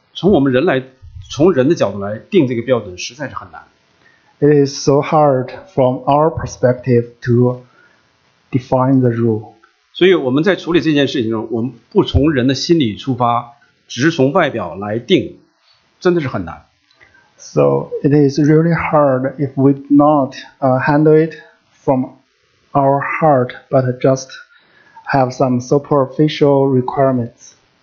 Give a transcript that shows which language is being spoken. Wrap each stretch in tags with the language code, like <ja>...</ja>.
<zh>从我们人来，从人的角度来定这个标准，实在是很难。</zh> <en>It is so hard from our perspective to define the rule.</en> <zh>所以我们在处理这件事情中，我们不从人的心理出发，只是从外表来定，真的是很难。</zh> <en>So it is really hard if we not handle it from our heart, but just have some superficial requirements.</en>